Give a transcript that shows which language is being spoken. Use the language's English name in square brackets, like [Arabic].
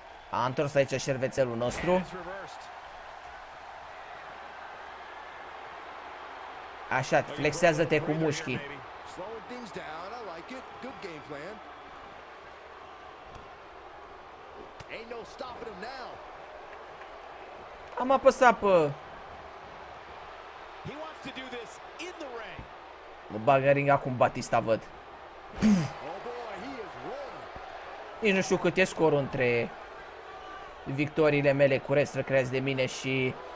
[Romanian] A întors aici șervețelul nostru. Așa, flexează-te cu mușchii. [English] Slowing things down, I like it. Good game plan. Ain't no stopping him now. [Romanian] Am apăsat pe... [English] He wants to do this in the ring. [Romanian] Mă bagă în ring acum Batista, văd. [English] Oh boy, he is wrong. [Romanian] Nici nu știu cât e scorul între victoriile mele cu Wrestler Crash de mine și...